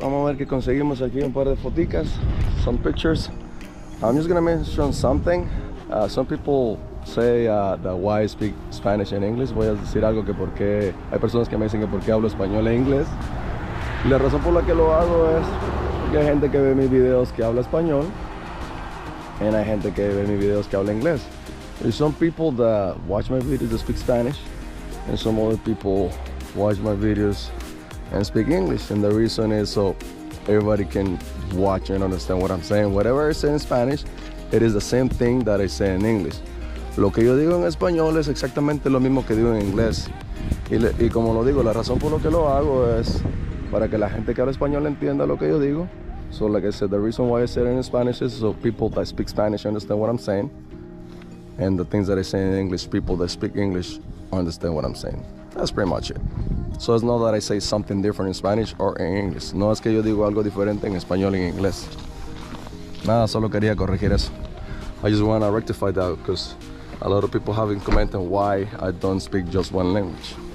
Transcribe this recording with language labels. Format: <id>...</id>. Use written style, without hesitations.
<es>Vamos a ver qué conseguimos aquí, un par de foticas,</es> <en>some pictures. I'm just gonna mention something. Some people say that why I speak Spanish and English.</en> <es>Voy a decir algo que porque hay personas que me dicen que porque hablo español e inglés. La razón por la que lo hago es que hay gente que ve mis videos que habla español, and hay gente que ve mis videos que habla inglés.</es> <en>There's some people that watch my videos that speak Spanish, and some other people watch my videos and speak English, and the reason is so everybody can watch and understand what I'm saying. Whatever I say in Spanish, it is the same thing that I say in English.</en> <es>Lo que yo digo en español es exactamente lo mismo que digo en inglés. Y como lo digo, la razón por lo que lo hago es para que la gente que habla español entienda lo que yo digo.</es> <en>So like I said, the reason why I say it in Spanish is so people that speak Spanish understand what I'm saying, and the things that I say in English, people that speak English understand what I'm saying. That's pretty much it. So it's not that I say something different in Spanish or in English.</en> <es>No es que yo digo algo diferente en español y en inglés. Nada, solo quería corregir eso.</es> <en>I just want to rectify that because a lot of people have been commenting why I don't speak just one language.</en>